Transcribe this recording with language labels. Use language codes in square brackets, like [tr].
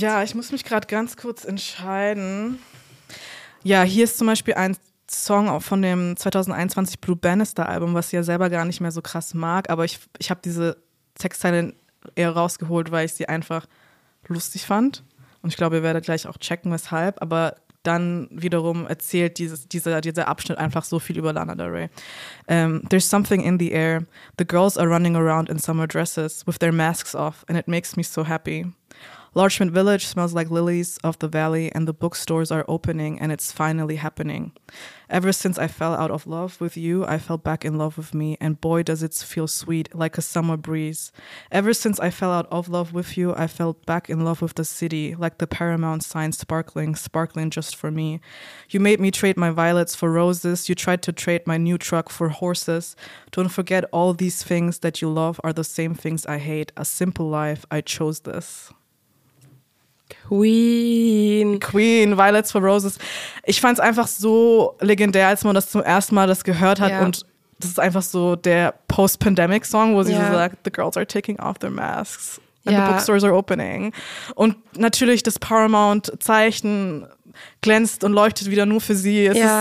[de] Ja, ich muss mich gerade ganz kurz entscheiden. Ja, hier ist zum Beispiel ein Song auch von dem 2021 Blue Bannister Album, was sie ja selber gar nicht mehr so krass mag, aber ich habe diese Textzeile eher rausgeholt, weil ich sie einfach lustig fand und ich glaube, ihr werdet gleich auch checken, weshalb, aber dann wiederum erzählt dieser Abschnitt einfach so viel über Lana Del Rey. [en] There's something in the air. The girls are running around in summer dresses with their masks off and it makes me so happy. Larchmont Village smells like lilies of the valley and the bookstores are opening and it's finally happening. Ever since I fell out of love with you, I fell back in love with me and boy does it feel sweet like a summer breeze. Ever since I fell out of love with you, I fell back in love with the city like the Paramount sign sparkling just for me. You made me trade my violets for roses. You tried to trade my new truck for horses. Don't forget all these things that you love are the same things I hate. A simple life, I chose this. Queen, Violets for Roses. [de] Ich fand es einfach so legendär, als man das zum ersten Mal das gehört hat. Yeah. Und das ist einfach so der Post-Pandemic-Song, wo sie yeah. so sagt, [en] the girls are taking off their masks [de] and yeah. [en] the bookstores are opening. [de] Und natürlich das Paramount-Zeichen glänzt und leuchtet wieder nur für sie. Es yeah.